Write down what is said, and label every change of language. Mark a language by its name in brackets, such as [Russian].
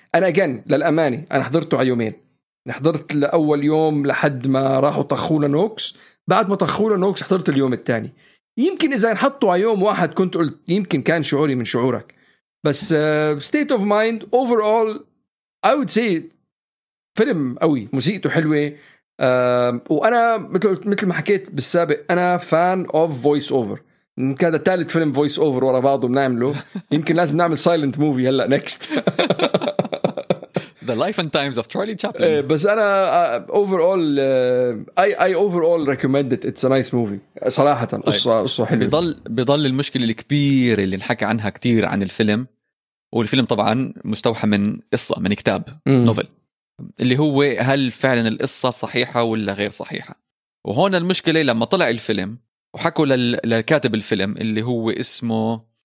[Arabic] أنا أجن للأمانة أنا حضرته على يومين، حضرت لأول يوم لحد ما راحوا طخونا نوكس، بعد ما طخونا نوكس حضرت اليوم الثاني، يمكن إذا نحطوا على يوم واحد كنت قلت يمكن كان شعوري من شعورك، بس state of mind [English] overall I would say [Arabic] فيلم قوي، موسيقته حلوة، وأنا مثل ما حكيت بالسابق أنا فان of voice over، كذا ثالث فيلم voice over ورا بعض ومنعمله، يمكن لازم نعمل silent movie هلا next. [English] The Life and Times of Charlie Chaplin. [Arabic] بس أنا [English] overall I overall recommend it. It's a nice movie [Arabic] صراحة، قصة حلوة. بضل المشكلة الكبيرة اللي نحكي عنها كتير عن الفيلم، والفيلم طبعا مستوحى من قصة من كتاب novel، اللي هو هل فعلا القصة صحيحة ولا غير صحيحة. وهون المشكلة لما طلع الفيلم وحكوا للكاتب الفيلم اللي هو اسمه،